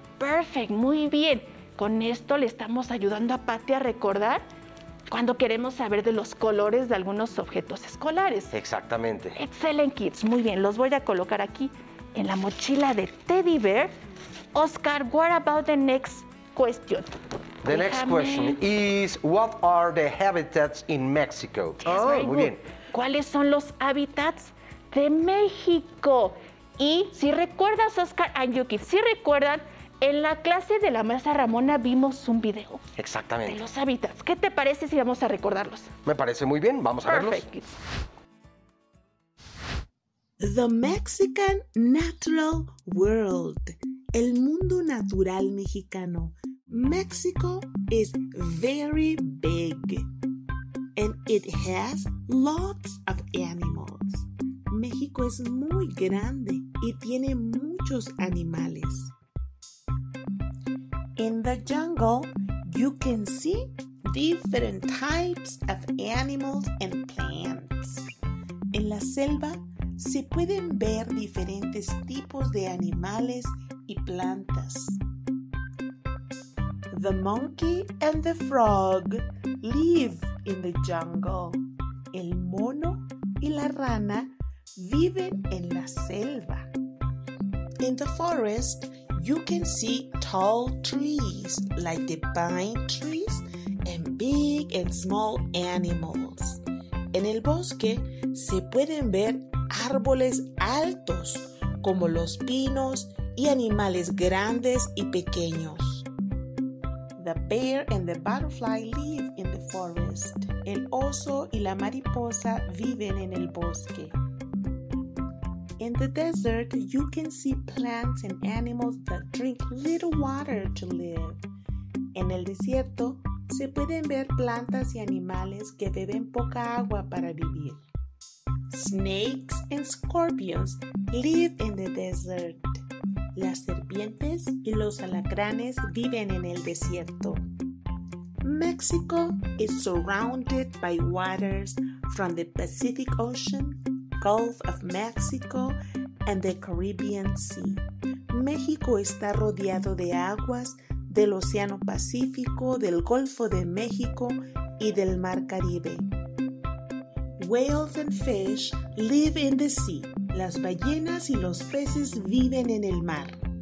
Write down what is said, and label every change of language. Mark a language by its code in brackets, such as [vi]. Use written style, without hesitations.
[es] Perfect, muy bien. Con esto le estamos ayudando a Patty a recordar cuando queremos saber de los colores de algunos objetos escolares. Exactamente. [en] Excellent, kids. [es] Muy bien, los voy a colocar aquí en la mochila de Teddy Bear. [en] Oscar, what about the next question? [es] The Déjame. [en] Next question is, what are the habitats in Mexico? Yes, oh, [es] muy [en] good. [es] Bien. ¿Cuáles son los hábitats de México? Y si recuerdas, Oscar and Yuki, si recuerdan, en la clase de la maestra Ramona vimos un video. Exactamente. De los hábitats. ¿Qué te parece si vamos a recordarlos? Me parece muy bien. Vamos [en] perfect. [es] A verlos. [en] Perfect. The Mexican Natural World. [es] El mundo natural mexicano. [en] Mexico is very big, and it has lots of animals. [es] México es muy grande y tiene muchos animales. [en] In the jungle, you can see different types of animals and plants. [es] En la selva, se pueden ver diferentes tipos de animales y plantas. [en] The monkey and the frog live in the jungle. [es] El mono y la rana viven en la selva. [en] In the forest, you can see tall trees like the pine trees and big and small animals. [es] En el bosque se pueden ver árboles altos, como los pinos y animales grandes y pequeños. [en] The bear and the butterfly live in the forest. [es] El oso y la mariposa viven en el bosque. [en] In the desert, you can see plants and animals that drink little water to live. [es] En el desierto, se pueden ver plantas y animales que beben poca agua para vivir. [en] Snakes and scorpions live in the desert. [es] Las serpientes y los alacranes viven en el desierto. [en] Mexico is surrounded by waters from the Pacific Ocean, Gulf of Mexico, and the Caribbean Sea. [es] México está rodeado de aguas del Océano Pacífico, del Golfo de México y del Mar Caribe. [en] Whales and fish live in the sea. [es] Las ballenas y los peces viven en el mar.